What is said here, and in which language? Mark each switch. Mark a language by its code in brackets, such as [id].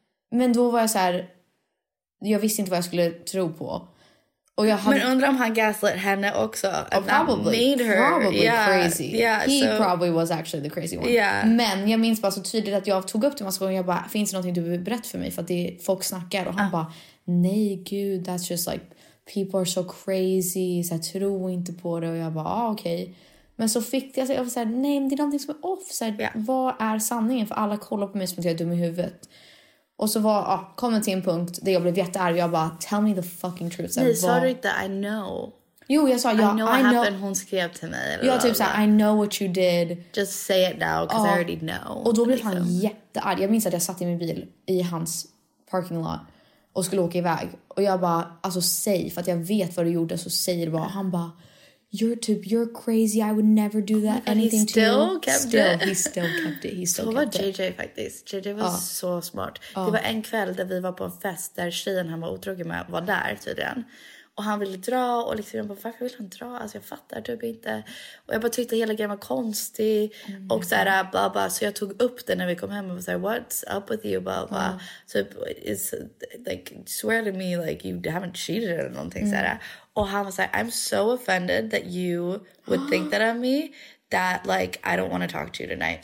[sv] Men då var jag så här, jag visste inte vad jag skulle tro på. Och jag hade, men undrar om han gaslit henne också. [en] Probably crazy. Yeah, he probably was actually the crazy one. Yeah. [sv] Men jag minns bara så tydligt att jag tog upp det massa gånger. Jag bara, finns det någonting du vill berätta för mig? För att det är folk snackar. Och han bara, nej gud, [en] that's just like, people are so crazy. [sv] Så jag tror inte på det. Och jag bara, okej. Men så fick jag säga, nej men det är någonting som är off. Så här, vad är sanningen? För alla kollar på mig som att jag är dum i huvudet. Och så var, kom jag till en punkt där jag blev jättearg. Jag bara, [en] tell me the fucking truth. [sv] Nej, sa du inte, [en] I know. [sv] Jo, jag sa, ja, [en] I know. [sv] Hon skrev till mig. Jag typ så här, [en] I know what you did. Just say it now, because I already know. [sv] Och då blev han jättearg. Jag minns att jag satt i min bil i hans [en] parking lot. [sv] Och skulle åka iväg. Och jag bara, alltså säg, för att jag vet vad du gjorde. Så säger du bara, han bara, you're typ, [en] you're crazy. I would never do that anything to you. He still kept it. He still kept it. [sv] Så var JJ faktiskt. JJ var så smart. Det var en kväll där vi var på en fest där tjejen han var otrogen med var där tydligen. Och han ville dra och liksom jag bara, varför vill han dra? Alltså jag fattar typ inte. Och jag bara tyckte hela grejen var konstig. Mm. Och såhär, blah, blah. Så jag tog upp det när vi kom hem och var såhär, [en] what's up with you? [sv] Blah, blah. [en] Typ, it's like, swear to me, like, you haven't cheated [sv] eller någonting såhär. Och han var såhär, [en] I'm so offended that you would think that of me. That, like, I don't want to talk to you tonight.